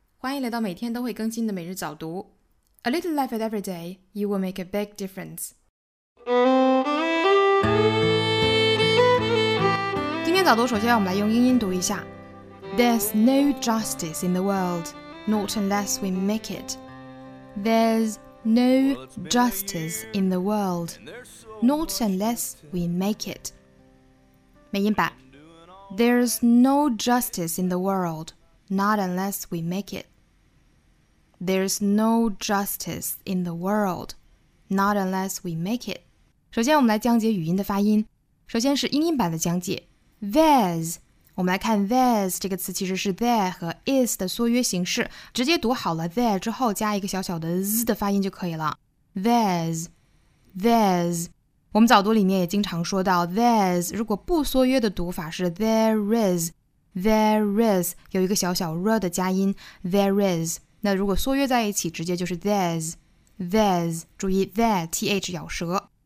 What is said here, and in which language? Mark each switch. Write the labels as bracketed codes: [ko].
[zh] 欢迎来到每天都会更新的每日早读。 [en] A little life at every day, you will make a big difference. [zh] 今天早读首先我们来用英音读一下。 [en] There's no justice in the world, not unless we make it. There's no justice in the world, not unless we make it. [zh] 美音版。 [en] There's no justice in the world, not unless we make it. There's no justice in the world, not unless we make it. [zh] 首先我们来讲解语音的发音。首先是英音版的讲解。There's, 我们来看 there's 这个词其实是 there 和 is 的缩约形式。直接读好了 there 之后加一个小小的 z 的发音就可以了。 There's, there's. 我们早读里面也经常说到 there's, 如果不缩约的读法是 [en] there is, there is, [zh] 有一个小小 r 的加音 there is, 那如果缩约在一起直接就是 there's, there's, 注意 there,th 咬舌。